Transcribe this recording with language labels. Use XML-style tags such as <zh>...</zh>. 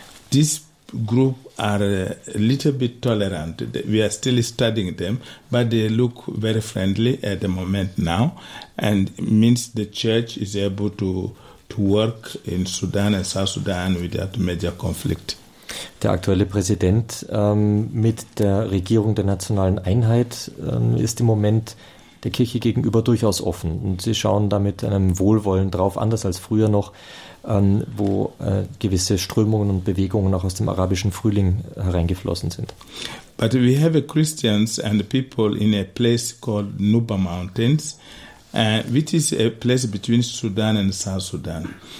<en>This group are a little bit tolerant. We are still studying them, but they look very friendly at the moment now, and it means the church is able to work in Sudan and South Sudan without major conflict.</en> <de>Der aktuelle Präsident mit der Regierung der nationalen Einheit ist im Moment der Kirche gegenüber durchaus offen. Und sie schauen da mit einem Wohlwollen drauf, anders als früher noch, wo gewisse Strömungen und Bewegungen auch aus dem arabischen Frühling hereingeflossen sind.</de> <en>But we have Christians and people in a place called Nuba Mountains, which is a place between Sudan and South Sudan.</en>